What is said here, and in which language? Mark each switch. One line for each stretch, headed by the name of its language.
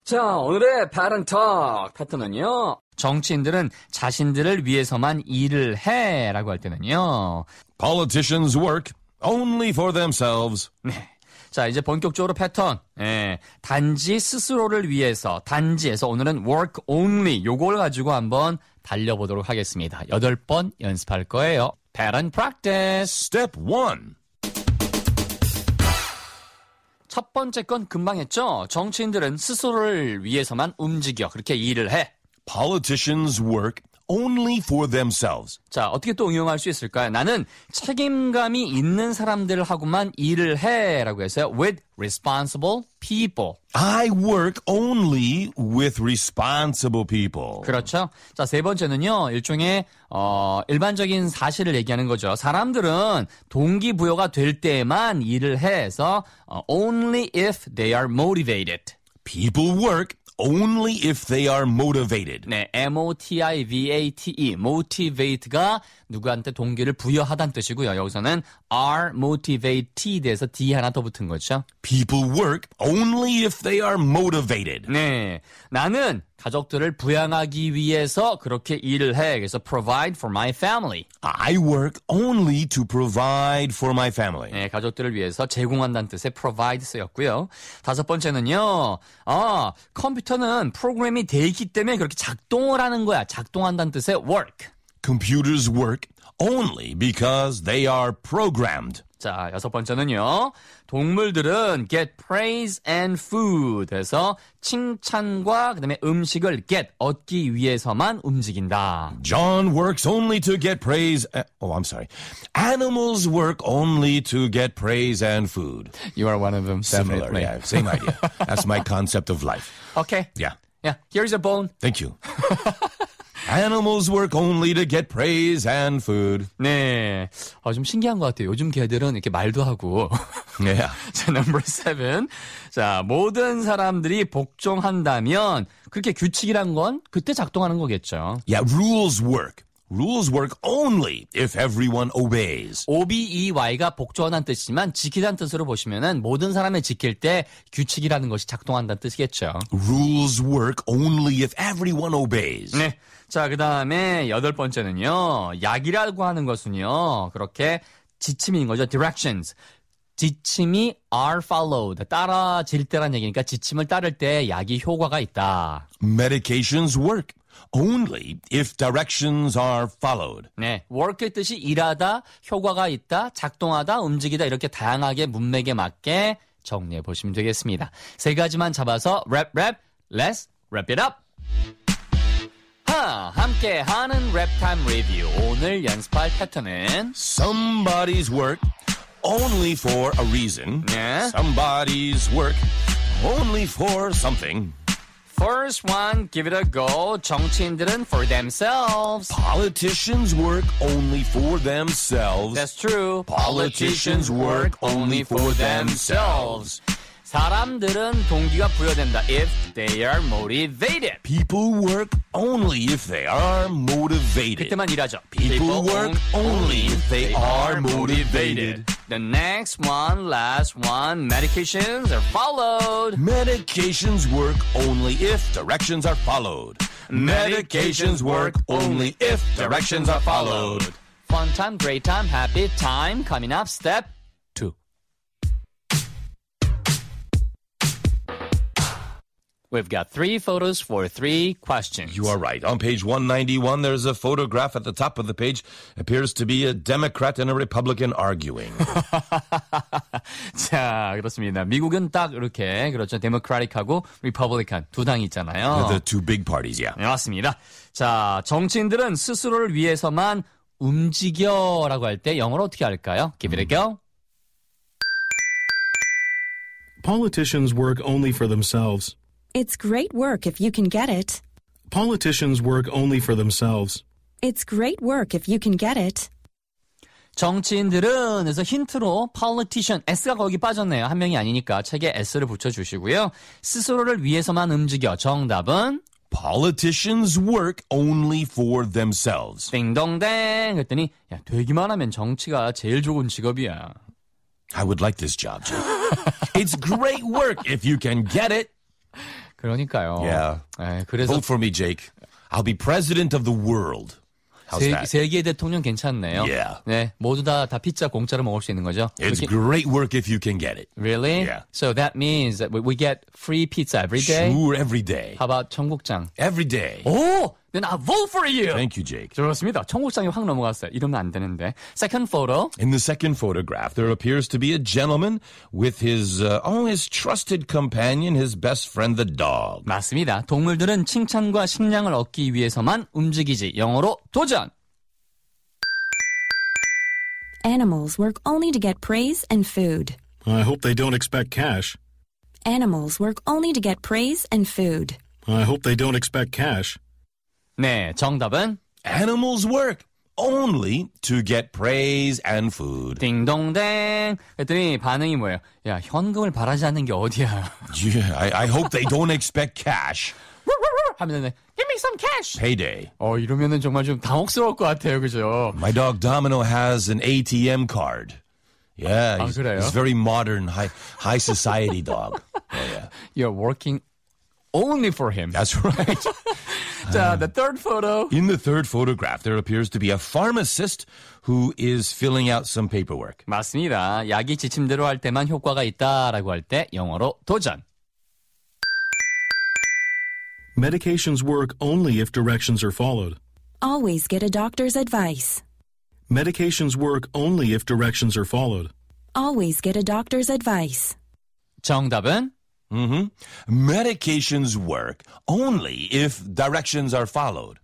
Korean: 자, 오늘의 바른 턱 패턴은요. 정치인들은 자신들을 위해서만 일을 해라고 할 때는요.
English: Politicians work only for themselves.
Korean: 네. 자, 이제 본격적으로 패턴. 예. 단지 스스로를 위해서, 단지에서 오늘은
English: work only
Korean: 요걸 가지고 한번 달려보도록 하겠습니다. 여덟 번 연습할 거예요.
English: Pattern practice. Step 1.
Korean: 첫 번째 건 금방 했죠? 정치인들은 스스로를 위해서만 움직여. 그렇게 일을 해.
English: Politicians work only for themselves.
Korean: 자, 어떻게 또 응용할 수 있을까요? 나는 책임감이 있는 사람들하고만 일을 해. 라고 했어요.
English: With responsible people. I work only with responsible people.
Korean: 그렇죠. 자, 세 번째는요. 일종의 일반적인 사실을 얘기하는 거죠. 사람들은 동기부여가 될 때만 일을 해서
English: only if they are motivated. People work only if they are motivated.
Korean: 네, M-O-T-I-V-A-T-E. Motivate가 누구한테 동기를 부여하다는 뜻이고요. 여기서는 are motivated에서 D 하나 더 붙은 거죠.
English: People work only if they are motivated.
Korean: 네, 나는 가족들을 부양하기 위해서 그렇게 일을 해. 그래서
English: provide for my family. I work only to provide for my family.
Korean: 네, 가족들을 위해서 제공한다는 뜻의 provide 쓰였고요. 다섯 번째는요. 컴퓨터는 프로그램이 돼 있기 때문에 그렇게 작동을 하는 거야. 작동한다는 뜻의 work.
English: Computers work only because they are programmed.
Korean: 자, 여섯 번째는요. 동물들은
English: get praise and food
Korean: 해서 칭찬과 그다음에 음식을 get 얻기 위해서만 움직인다.
English: John works only to get praise. I'm sorry. Animals work only to get praise and food. You are one of them. Similar, definitely. Yeah, same idea. That's my concept of life. Okay. Yeah. Yeah. Here's a bone. Thank you. Animals work only to get praise and food.
Korean: 네, 좀 신기한 것 같아요. 요즘 개들은 이렇게 말도 하고.
English: Yeah. 자, number seven.
Korean: 자, 모든 사람들이 복종한다면 그렇게 규칙이란 건 그때 작동하는 거겠죠.
English: Yeah, rules work. Rules work only if everyone obeys.
Korean: O-B-E-Y가 복종하는 뜻이지만 지키다는 뜻으로 보시면은 모든 사람을 지킬 때 규칙이라는 것이 작동한다는 뜻이겠죠.
English: Rules work only if everyone obeys.
Korean: 네. 자, 그 다음에 여덟 번째는요. 약이라고 하는 것은요. 그렇게 지침인 거죠. Directions. 지침이
English: are followed.
Korean: 따라질 때란 얘기니까 지침을 따를 때 약이 효과가 있다.
English: Medications work only if directions are followed.
Korean: 네, work의 뜻이 일하다, 효과가 있다, 작동하다, 움직이다 이렇게 다양하게 문맥에 맞게 정리해 보시면 되겠습니다. 세 가지만 잡아서 랩 랩,
English: let's wrap it up.
Korean: 함께하는 랩 타임 리뷰. 오늘 연습할 패턴은
English: Somebody's work only for a reason. 네. Somebody's work only for something. First one, give it a go. 정치인들은 for themselves. Politicians work only for themselves. That's true. Politicians work only for themselves.
Korean: 사람들은 동기가 부여된다.
English: If they are motivated. People work only if they are motivated.
Korean: 그때만 일하죠.
English: People work only if they are motivated. The next one, last one, medications are followed. Medications work only if directions are followed. Medications work only if directions are followed. Fun time, great time, happy time. Coming up, step two. We've got three photos for three questions. You are right. On page 191, there's a photograph at the top of the page. Appears to be a Democrat and a Republican arguing.
Korean: 자, 그렇습니다. 미국은 딱 이렇게, 그렇죠. Democratic하고 Republican 두 당이 있잖아요.
English: The two big parties, yeah.
Korean: 네, 맞습니다. 자, 정치인들은 스스로를 위해서만 움직여라고 할 때 영어로 어떻게 할까요?
English: Give it a go. Politicians work only for themselves. It's great work if you can get it. Politicians work only for themselves. It's great work if you can get it.
Korean: 정치인들은 그래서 힌트로 politician, S가 거기 빠졌네요. 한 명이 아니니까 책에 S를 붙여주시고요. 스스로를 위해서만 움직여. 정답은?
English: Politicians work only for themselves.
Korean: 띵동댕 그랬더니 야, 되기만 하면 정치가 제일 좋은 직업이야.
English: I would like this job, Jeff. It's great work if you can get it.
Korean: 그러니까요.
English: Yeah.
Korean: 에, 그래서
English: Vote for me, Jake. I'll be president of the world. How's that?
Korean: 세계 대통령 괜찮네요.
English: Yeah.
Korean: 네, 모두 다 피자 공짜로 먹을 수 있는 거죠.
English: It's 그렇게, great work if you can get it. Really? Yeah. So that means that we get free pizza every day? Sure, every day. How about 청국장? Every day. Oh, then I vote for you. Thank you, Jake.
Korean: 좋았습니다. 청국장이 확 넘어갔어요. 이러면 안 되는데.
English: Second photo. In the second photograph, there appears to be a gentleman with his, his trusted companion, his best friend, the dog.
Korean: 맞습니다. 동물들은 칭찬과 식량을 얻기 위해서만 움직이지. 영어로 도전.
English: Animals work only to get praise and food. I hope they don't expect cash. Animals work only to get praise and food. I hope they don't expect cash.
Korean: 네, 정답은
English: Animals work only to get praise and food.
Korean: 딩동댕. 그랬더니 반응이 뭐예요? 야, 현금을 바라지 않는 게 어디야?
English: Yeah, I hope they don't expect cash. 하면은 Give me some cash. Payday.
Korean: 어, 이러면은 정말 좀 당혹스러울 것 같아요, 그죠?
English: My dog Domino has an ATM card. Yeah, he's very modern, high society dog. Oh, yeah. You're working only for him. That's right. The third photo. In the third photograph, there appears to be a pharmacist who is filling out some paperwork.
Korean: 맞습니다. 약이 지침대로 할 때만 효과가 있다라고 할 때 영어로 도전.
English: Medications work only if directions are followed. Always get a doctor's advice. Medications work only if directions are followed. Always get a doctor's advice.
Korean: 정답은? Mm-hmm.
English: Medications work only if directions are followed.